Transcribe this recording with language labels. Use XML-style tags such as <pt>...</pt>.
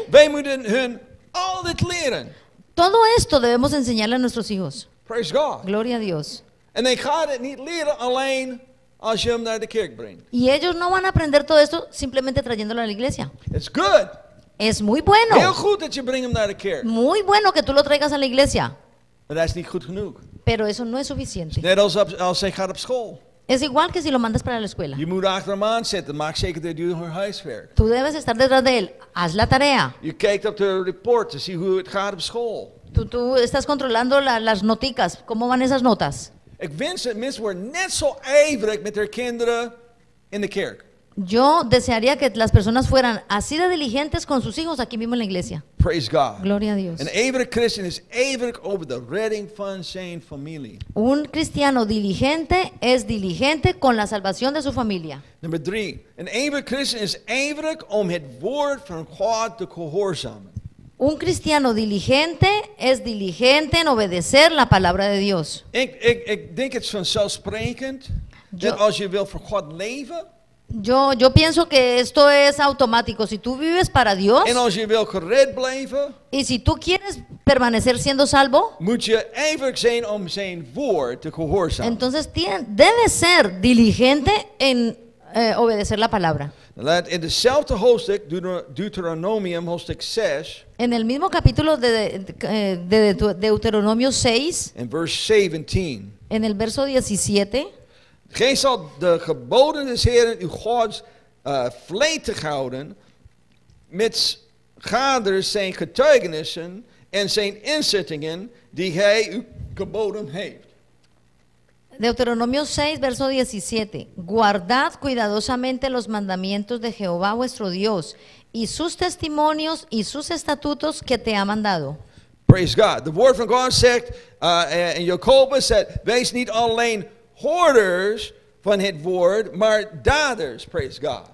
<nl>Wij moeten hun al dit leren.</nl> <es>Todo esto debemos enseñarle a nuestros hijos.</es> <en>Praise God.</en> <es>Gloria a Dios.</es> <nl>En hij gaat het niet leren alleen als je hem naar de kerk brengt.</nl> <es>Y ellos no van a aprender todo esto simplemente trayéndolo a la iglesia.</es> <en>It's good.</en> <es>Es muy bueno.</es> <nl>Heel goed dat je brengt hem naar de kerk.</nl> <es>Muy bueno que tú lo traigas a la iglesia.</es> <nl>Maar dat is niet goed genoeg.</nl> <es>Pero eso no es suficiente.</es> <nl>Net als hij gaat op school.</nl> <es>Es igual que si lo mandas para la escuela.</es> <nl>Je moet achter hem aan zitten. Maak zeker dat hij haar huiswerk.</nl> <es>Tú debes estar detrás de él. Haz la tarea.</es> <nl>Je kijkt op de report</nl> <en>to see</en> <nl>hoe het gaat op school.</nl> <es>Tú estás controlando las noticas. ¿Cómo van esas notas?</es> <nl>Ik wens dat mensen were net zo ijverig met haar kinderen in de kerk.</nl> <es>Yo desearía que las personas fueran así de diligentes con sus hijos aquí mismo en la iglesia.</es> <en>Praise God.</en> <es>Gloria a Dios.</es> <nl>An ijverig Christian is ijverig over the redding van zijn familie.</nl> <es>Un cristiano diligente es diligente con la salvación de su familia.</es> <en>Number 3.</en> <nl>An ijverig Christian is ijverig om het woord van God te gehoorzamen.</nl> <es>Un cristiano diligente es diligente en obedecer la palabra de Dios.</es> <nl>Ik denk het vanzelfsprekend dat als je wil voor God leven.</nl> <es>Yo pienso que esto es automático. Si tú vives para Dios,</es> <nl>en als je wil gered blijven,</nl> <es>y si tú quieres permanecer siendo salvo,</es> <nl>moet je ijverig zijn om zijn woord te gehoorzamen.</nl> <es>Entonces debes ser diligente en obedecer la palabra.</es> <nl>In hetzelfde hoofdstuk, Deuteronomium hoofdstuk 6.</nl> <es>En el mismo capítulo de Deuteronomio 6.</es> <en>In verse 17.</en> <es>En el verso 17.</es> <nl>Gij zal de geboden des Heeren uw Gods vletig houden, mits gader zijn getuigenissen en zijn inzettingen die hij u geboden heeft.</nl> <es>Deuteronomio 6, verso 17. Guardad cuidadosamente los mandamientos de Jehová vuestro Dios y sus testimonios y sus estatutos que te ha mandado.</es> <en>Praise God. The word from God said, in Jacobus said,</en> <nl>wees niet alleen hoorders van het woord, maar daders,</nl> <en>praise God.</en>